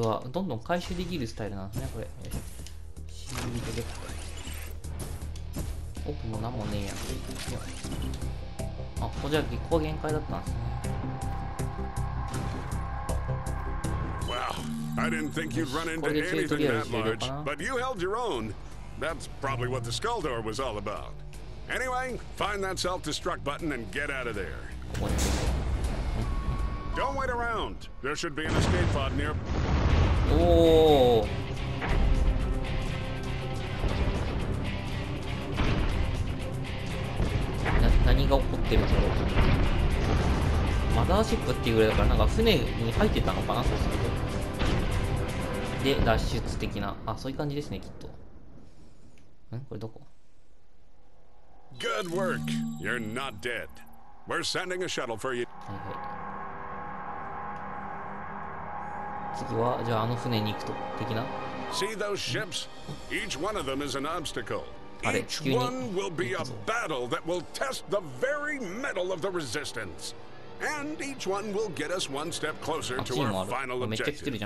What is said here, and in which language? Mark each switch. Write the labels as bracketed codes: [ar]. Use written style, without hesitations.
[ja] どんどん回収できるスタイルなんですね、これ。シールドで。奥も何もねえやん。あ、ここじゃ月光限界だったんですね。 [en] Well, I didn't think you'd run into anything that large, but you held your own. That's probably what the skull door was all about. Anyway, find that self-destruct button and get out of there. Don't wait around. There should be an escape pod near. Oh. [ja] 何が起こってるんだろう。マザーシップっていうぐらいだから、なんか船に入ってたのかな、そうすると。で脱出的な、あ、そういう感じですね、きっと。ん、これどこ。 [en] Good work. You're not dead. We're sending a shuttle for you. [ja] はいはい、次はじゃああの船に行くと的な。 [en] See those ships? Each one of them is an obstacle. Each one will be a battle that will test the very metal of the resistance. And each one will get us one step closer to our final objective.